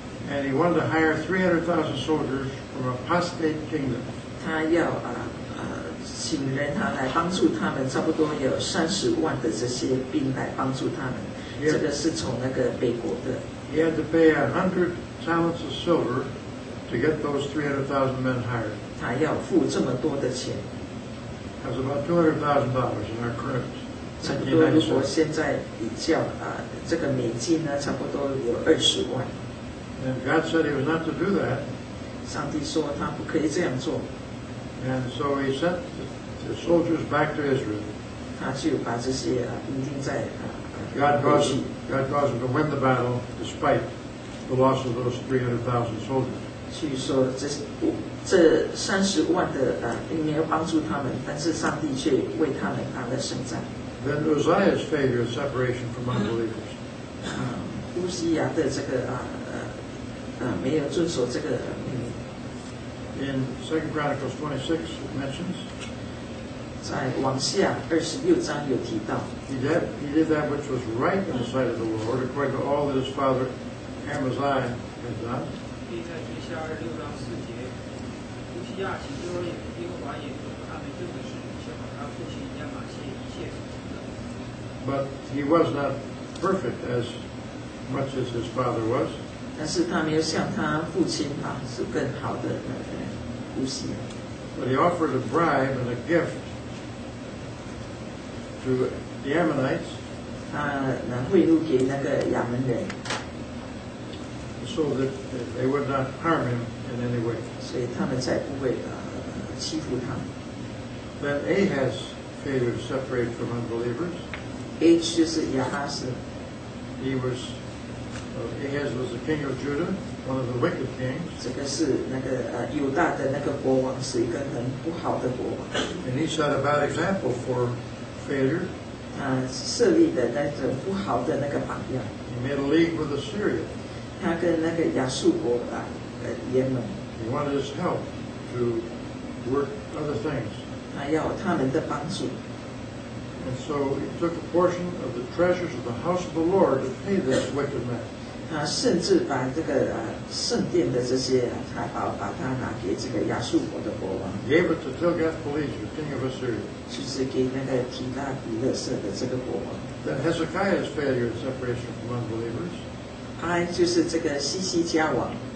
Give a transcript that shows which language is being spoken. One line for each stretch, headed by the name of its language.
English: And he wanted to hire 300,000 soldiers from an apostate kingdom.
Chinese: 他要请人他来帮助他们，差不多有300,000的这些兵来帮助他们。 Yeah. 这个是从那个北国的。
English: He had to pay 100 talents of silver to get those 300,000 men hired.
Chinese: 他要付这么多的钱。
English: That was about $200,000 in our current.
Chinese: 差不多，如果现在比较这个美金呢，差不多有200,000。
English: And God said he was not to do that.
Chinese: 上帝说他不可以这样做。
English: And so he sent the soldiers back to Israel.
Chinese: 他就把这些兵丁在
English: God caused him to win the battle despite the loss of those 300,000 soldiers.
Chinese: 去说这三十万的没有帮助他们，但是上帝却为他们打了胜仗。
English: Then Uzziah's failure of separation from unbelievers.
Chinese: Uzziah 的这个没有遵守这个
English: In 2 Chronicles 26, it mentions.
Chinese: 在往下26章有提到
English: He did that which was right in the sight of the Lord, according to all that his father Amaziah had done.
Chinese: 第在记下26章4节，乌西亚行耶和华眼中看为正的事，却把他父亲亚玛谢一切所
English: But he was not perfect as much as his father was.
Chinese: 但是他没有像他父亲啊，是更好的乌西亚。
English: But he offered a bribe and a gift to the Ammonites.
Chinese: 他贿赂给那个亚门人。
English: So that they would not harm him in any way.
Chinese: 所以他们才不会欺负他。
English: Then Ahaz failed to separate from unbelievers.
Chinese: H 就是亚哈斯。
English: He was, Ahaz was the king of Judah, one of the wicked kings.
Chinese: 这个是那个犹大的那个国王，是一个很不好的国王。
English: And he set a bad example for failure.
Chinese: 他设立的那种不好的那个榜样。
English: He made a league with Assyria.
Chinese: 他跟那个亚述国联盟。
English: He wanted his help to work other things.
Chinese: 他要他们的帮助。
English: And so he took a portion of the treasures of the house of the Lord to pay this wicked man.
Chinese: 他甚至把这个圣殿的这些财宝，把它拿给这个亚述国的国王。
English: Gave it to Tilgath-Pileser, king of Assyria.
Chinese: 就是给那个提拉比勒色的这个国王。
English: Then Hezekiah's failure in separation from unbelievers.
Chinese: 他就是这个西西家王。